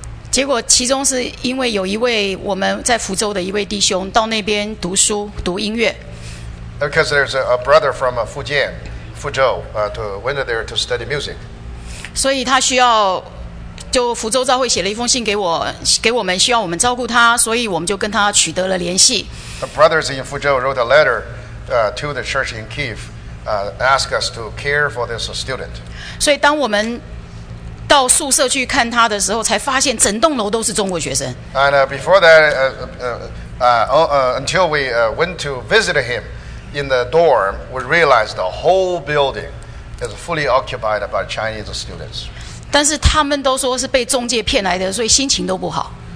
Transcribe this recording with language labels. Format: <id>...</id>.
<zh>结果其中是因为有一位我们在福州的一位弟兄到那边读书读音乐。</zh> <en>Because there's a brother from Fujian, Fuzhou to went there to study music.</en> <zh>所以他需要，就福州教会写了一封信给我，给我们，需要我们照顾他，所以我们就跟他取得了联系。</zh> <en>The brothers in Fuzhou wrote a letter to the church in Kyiv, ask us to care for this student.</en> <zh>所以当我们到宿舍去看他的时候，才发现整栋楼都是中国学生。</zh> <en>And before that, until we went to visit him in the dorm, we realized the whole building is fully occupied by Chinese students.</en> <zh>但是他们都说是被中介骗来的，所以心情都不好。</zh>